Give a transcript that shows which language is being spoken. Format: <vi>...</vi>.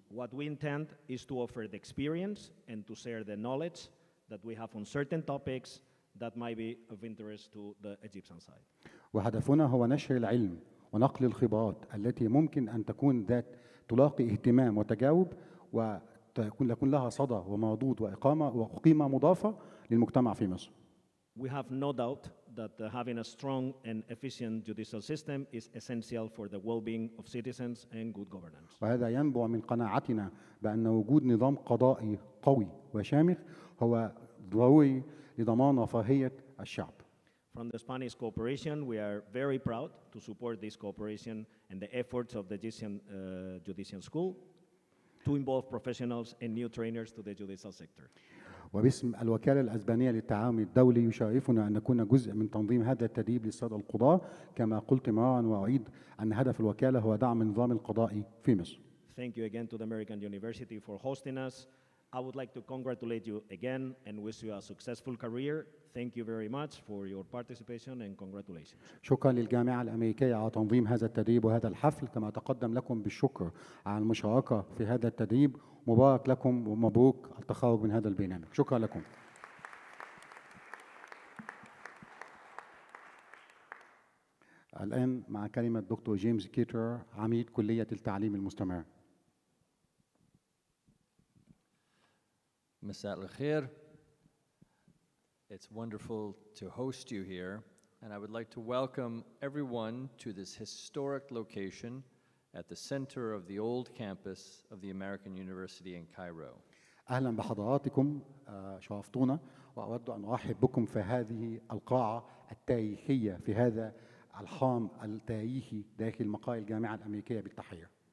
<en>What we intend is to offer the experience and to share the knowledge that we have on certain topics that might be of interest to the Egyptian side.</en> <ar>وهدفنا هو نشر العلم ونقل الخبرات التي ممكن أن تكون ذات تلاقي اهتمام وتجاوب ويكون لها صدى ومردود وإقامة وقيمة مضافة للمجتمع في مصر.</ar> <en>We have no doubt that having a strong and efficient judicial system is essential for the well-being of citizens and good governance.</en> <ar>وهذا ينبع من قناعتنا بأن وجود نظام قضائي قوي وشامخ هو ضروري لضمان رفاهية الشعب.</ar> <en>From the Spanish cooperation, we are very proud to support this cooperation and the efforts of the Egyptian judicial school to involve professionals and new trainers to the judicial sector.</en> <ar>وباسم الوكالة الأسبانية للتعاون الدولي يشرفنا أن نكون جزء من تنظيم هذا التدريب للسادة القضاة كما قلت مرارا وأعيد أن هدف الوكالة هو دعم النظام القضائي في مصر.</ar> <en>Thank you again to the American University for hosting us. I would like to congratulate you again and wish you a successful career. Thank you very much for your participation and congratulations.</en> <ar>شكرا للجامعة الأمريكية على تنظيم هذا التدريب وهذا الحفل كما تقدم لكم بالشكر على المشاركة في هذا التدريب مبارك لكم ومبروك التخرج من هذا البرنامج شكرا لكم. الآن مع كلمة دكتور جيمس كيتر عميد كلية التعليم المستمر. مساء الخير.</ar> <en>It's wonderful to host you here. And I would like to welcome everyone to this historic location at the center of the old campus of the American University in Cairo.</en> <ar>اهلا بحضراتكم شرفتونا واود ان ارحب بكم في هذه القاعه التاريخيه في هذا الحام التاريخي داخل مقاهي الجامعه الامريكيه بالتحيه.</ar>